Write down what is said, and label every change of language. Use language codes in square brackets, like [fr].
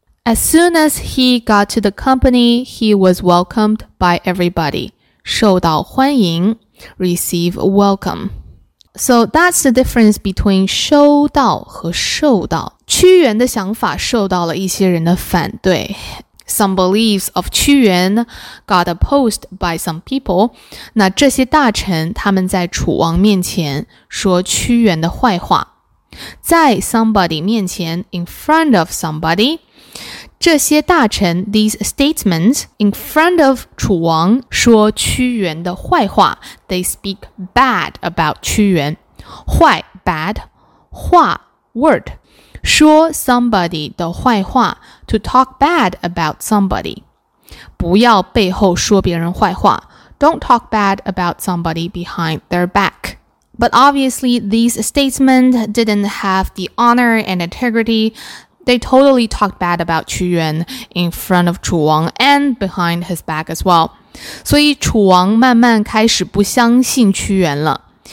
[en] As soon as he got to the company, he was welcomed by everybody. [zh] 受到欢迎 [en] receive welcome. So that's the difference between 收到和受到。 [zh] 屈原的想法受到了一些人的反对。 [en] Some beliefs of 屈原 got opposed by some people. [zh] 那这些大臣他们在楚王面前说屈原的坏话。 [en] 在 somebody 面前 in front of somebody, [zh] 这些大臣 [en] these statesmen in front of [zh] 楚王说屈原的坏话 [en] they speak bad about 屈原坏 bad 话 word 说 somebody 的坏话 to talk bad about somebody [zh] 不要背后说别人坏话 [en] don't talk bad about somebody behind their back but obviously these statesmen didn't have the honor and integrityThey totally talked bad about 屈原 in front of 楚王 and behind his back as well. [zh] 所以楚王慢慢开始不相信屈原了。